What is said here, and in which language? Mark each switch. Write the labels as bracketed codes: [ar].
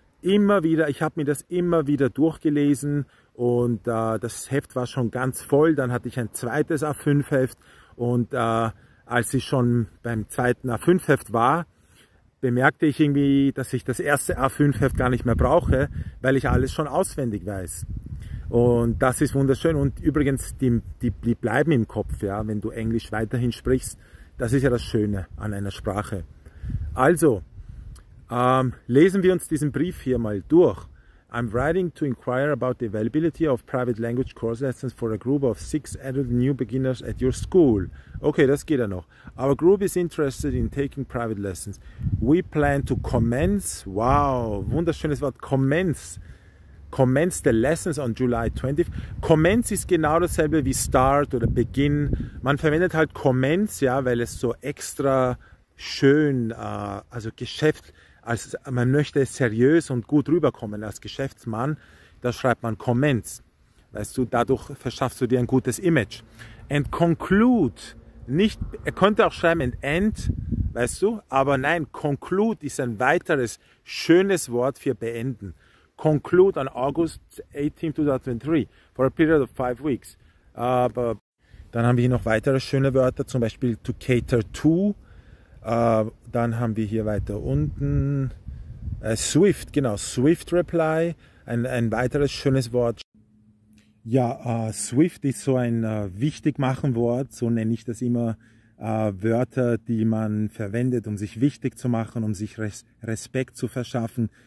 [de] Immer wieder, ich habe mir das immer wieder durchgelesen. Und das Heft war schon ganz voll, dann hatte ich ein zweites A5-Heft und als ich schon beim zweiten A5-Heft war, bemerkte ich irgendwie, dass ich das erste A5-Heft gar nicht mehr brauche, weil ich alles schon auswendig weiß. Und das ist wunderschön und übrigens, die bleiben im Kopf, ja, wenn du Englisch weiterhin sprichst. Das ist ja das Schöne an einer Sprache. Also, lesen wir uns diesen Brief hier mal durch. [en] I'm writing to inquire about the availability of private language course lessons for a group of 6 adult new beginners at your school. [de] Okay, das geht ja noch. [en] Our group is interested in taking private lessons. We plan to commence, [de] wow, wunderschönes Wort, [en] commence the lessons on July 20th. [de] Commence ist genau dasselbe wie start oder begin. Man verwendet halt commence, ja, weil es so extra schön, also Geschäft. Also man möchte seriös und gut rüberkommen als Geschäftsmann, da schreibt man Comments. Weißt du, dadurch verschaffst du dir ein gutes Image. And conclude, nicht, er könnte auch schreiben and end, weißt du, aber nein, conclude ist ein weiteres schönes Wort für beenden. [en] Conclude on August 18, 2023, for a period of 5 weeks. [de] Aber dann haben wir hier noch weitere schöne Wörter, zum Beispiel to cater to. Dann haben wir hier weiter unten Swift, genau, Swift Reply, ein weiteres schönes Wort. Ja, Swift ist so ein wichtig machen Wort, so nenne ich das immer, Wörter, die man verwendet, um sich wichtig zu machen, um sich Respekt zu verschaffen.